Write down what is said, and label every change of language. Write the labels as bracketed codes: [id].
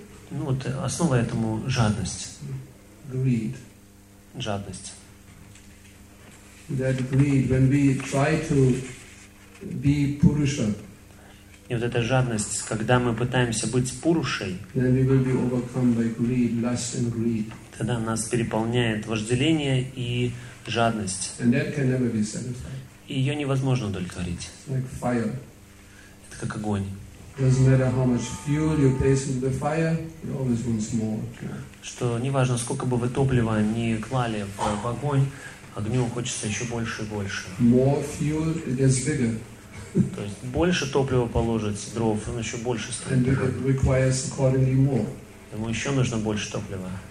[ru] Ну вот основа этому — жадность. [en] Greed. [ru] Жадность. [en] That greed, when we try to be Purusha. [ru] И вот эта жадность, когда мы пытаемся быть Пурушей, [en] then we will be overcome by greed, lust and greed. [ru] Тогда нас переполняет вожделение и жадность. [en] And that can never be satisfied. [ru] И ее невозможно удовлетворить. [en] Like fire. [ru] Это как огонь. [en] Doesn't matter how much fuel you place into the fire, it always wants more. [ru] Что неважно, сколько бы вы топлива ни клали в огонь, огню хочется еще больше и больше. [en] More fuel, it gets bigger. [ru] То есть больше топлива положить, дров, он еще больше стоит. [en] And it requires accordingly more. [ru] Ему еще нужно больше топлива.